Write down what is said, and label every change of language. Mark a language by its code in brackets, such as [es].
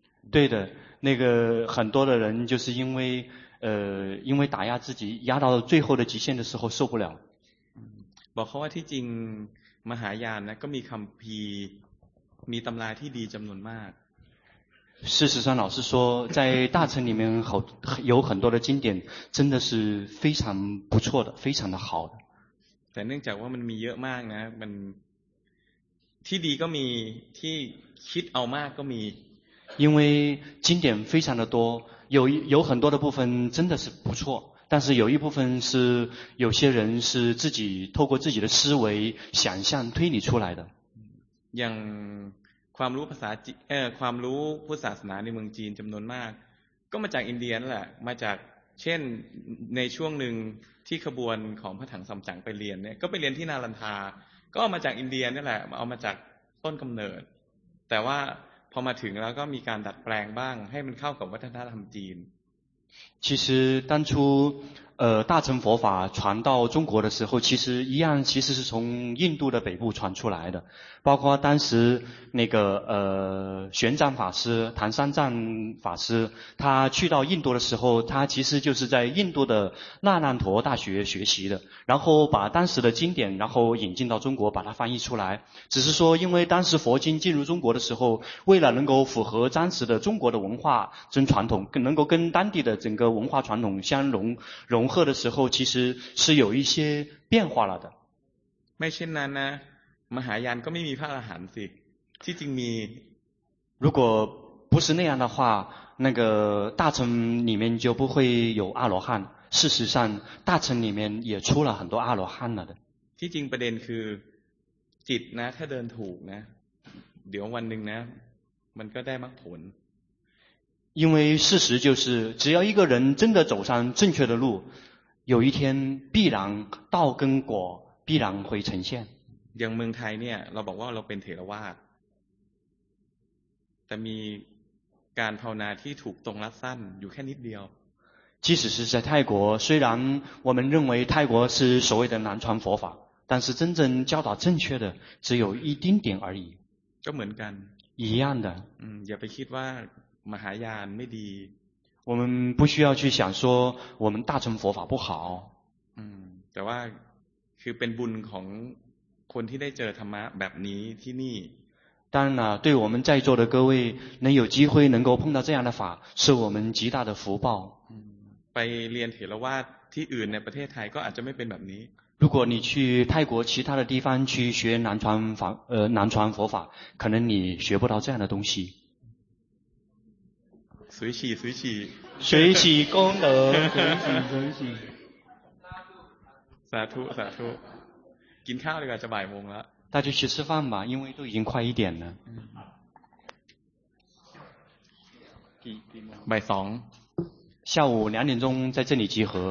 [zh] 对的那个很多的人就是因为打压自己压到最后的极限的时候受不了 [th] บอกเขาว่าที่จริงมหายานนะก็มีคำพีมีตำราที่ดีจำนวนมาก [zh] 事实上老师说在大乘里面好有很多的经典真的是非常不错的非常的好的 [th] แต่เนื่องจากว่ามันมีเยอะมากนะมันที่ดีก็มีที่คิดเอามากก็มี [zh] 因为经典非常的多有很多的部分真的是不错但是有一部分是有些人是自己透过自己的思维想象推理出来的 [th] อย่างความรู้ภาษาความรู้พุทธศาสนาในเมืองจีนจำนวนมากก็มาจากอินเดียแหละมาจากเช่นในช่วงหนึ่งที่ขบวนของพระถังซัมจั๋งไปเรียนเนี่ยก็ไปเรียนที่นารันทาก็มาจากอินเดียนี่แหละเอามาจากต้นกำเนิดแต่ว่าพอมาถึงแล้วก็มีการดัดแปลงบ้างให้มันเข้ากับวัฒนธรรมจีน [zh] 其实当初大乘佛法传到中国的时候其实一样其实是从印度的北部传出来的包括当时那个玄奘法师唐三藏法师他去到印度的时候他其实就是在印度的那烂陀大学学习的然后把当时的经典然后引进到中国把它翻译出来只是说因为当时佛经进入中国的时候为了能够符合当时的中国的文化跟传统能够跟当地的整个文化传统相融合的时候其实是有一些变化了的 [th] ไม่เช่นนั้นนะมหายานก็ไม่มีพระอรหันต์สิที่จริงมี [zh] 如果不是那样的话那个大乘里面就不会有阿罗汉事实上大乘里面也出了很多阿罗汉了的 [th] ที่จริงประเด็นคือจิตนะถ้าเดินถูกนะเดี๋ยววันหนึ่งนะมันก็ได้มรรคผล [zh] 因为事实就是只要一个人真的走上正确的路有一天必然道跟果必然会呈现 [th] อย่างเมืองไทยเนี่ยเราบอกว่าเราเป็นเถรวาทแต่มีการภาวนาที่ถูกตรงรัดสั้นอยู่แค่นิดเดียว [zh] 即使是在泰国虽然我们认为泰国是所谓的南传佛法但是真正教导正确的只有一丁点而已 [th] ก็เหมือนกัน [zh] 一样的 [th] อย่าไปคิดว่ามหายานไม่ดี [zh] 我们不需要去想说我们大乘佛法不好 [th] แต่ว่าคือเป็นบุญของคนที่ได้เจอธรรมะแบบนี้ที่นี่ [zh] 当然了对我们在座的各位能有机会能够碰到这样的法是我们极大的福报 [th] ไปเรียนเถรวาทที่อื่นในประเทศไทยก็อาจจะไม่เป็นแบบนี้ [zh] 如果你去泰国其他的地方去学南传佛法可能你学不到这样的东西随喜随喜随喜功德随喜随喜洒脱洒脱 [th] กินข้าวดีกว่าจะบ่ายโมงแล้ว [zh] 大家去吃饭吧因为都已经快一点了 [th] บ่ายสอง [zh] 下午两点钟在这里集合